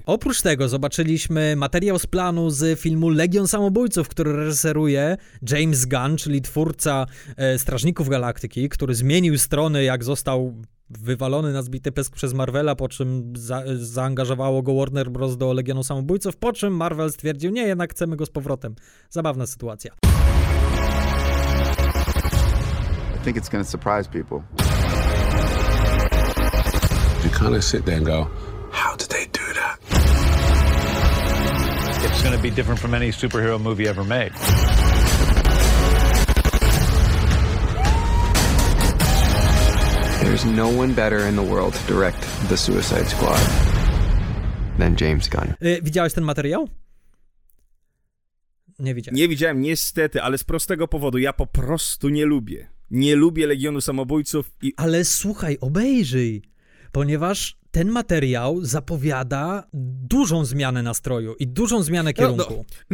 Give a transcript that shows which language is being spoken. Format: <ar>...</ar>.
<pl>Oprócz tego zobaczyliśmy materiał z planu z filmu Legion Samobójców, który reżyseruje James Gunn, czyli twórca Strażników Galaktyki, który zmienił strony, jak został wywalony na zbity pysk przez Marvela, po czym zaangażowało go Warner Bros. Do Legionu Samobójców, po czym Marvel stwierdził, nie, jednak chcemy go z powrotem. Zabawna sytuacja.</pl> <en>I think it's gonna surprise people. You kind of sit there and go, how did they do that? It's gonna be different from any superhero movie ever made. There's no one better in the world to direct the Suicide Squad than James Gunn.</en> <pl>Widziałeś ten materiał? Nie widziałem. Nie widziałem, niestety, ale z prostego powodu. Ja po prostu nie lubię. Nie lubię Legionu Samobójców i... Ale słuchaj, obejrzyj, ponieważ ten materiał zapowiada dużą zmianę nastroju i dużą zmianę kierunku.</pl>